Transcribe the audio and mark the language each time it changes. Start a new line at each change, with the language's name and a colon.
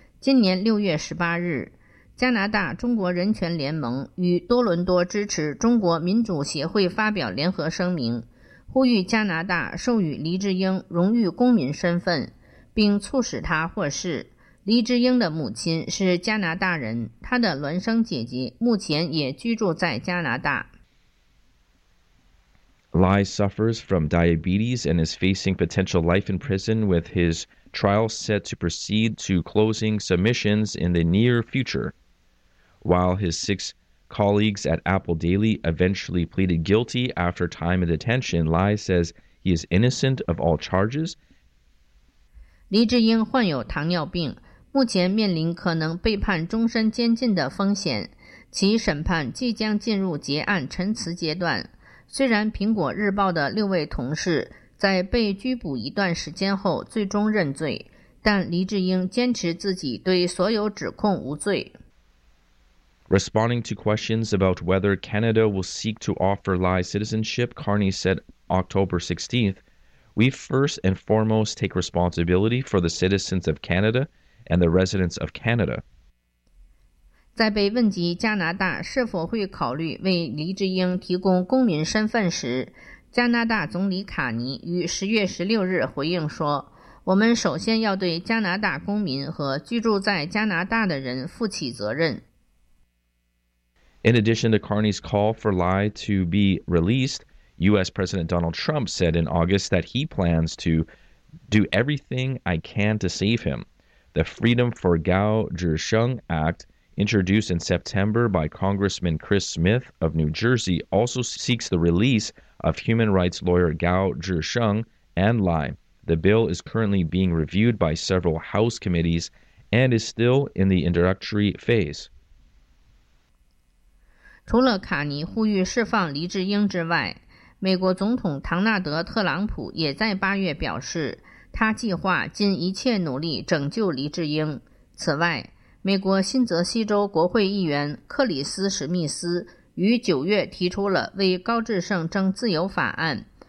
Chinese: 今年6月18日，加拿大中国人权联盟与多伦多支持中国民主协会发表联合声明，呼吁加拿大授予黎智英荣誉公民身份，并促使他获释。黎智英的母亲是加拿大人，她的孪生姐姐目前也居住在加拿大。
English: Lai suffers from diabetes and is facing potential life in prison with his trial set to proceed to closing submissions in the near future. While his six colleagues at Apple Daily eventually pleaded guilty after time of detention, Lai says he is innocent of all charges.
Chinese: 黎智英患有糖尿病，目前面临可能被判终身监禁的风险，其审判即将进入结案陈词阶段。虽然苹果日报的六位同事在被拘捕一段时间后最终认罪，但黎智英坚持自己对所有指控无罪。
English: Responding to questions about whether Canada will seek to offer Lai citizenship, Carney said October 16th, "We first and foremost take responsibility for the citizens of Canada and the residents of Canada."
Chinese: 在被问及加拿大是否会考虑为黎智英提供公民身份时，加拿大总理卡尼于10月16日回应说，我们首先要对加拿大公民和居住在加拿大的人负起责任。
English: In addition to Carney's call for Lai to be released, U.S. President Donald Trump said in August that he plans to do everything I can to save him. The Freedom for Gao Zhisheng Act, introduced in September by Congressman Chris Smith of New Jersey, also seeks the release of human rights lawyer Gao Zhisheng and Lai. The bill is currently being reviewed by several House committees and is still in the introductory phase.
Chinese: 除了卡尼呼吁释放黎智英之外，美国总统唐纳德·特朗普也在八月表示，他计划尽一切努力拯救黎智英。此外，美国新泽西州国会议员克里斯·史密斯于九月提出了为高智胜争自由法案。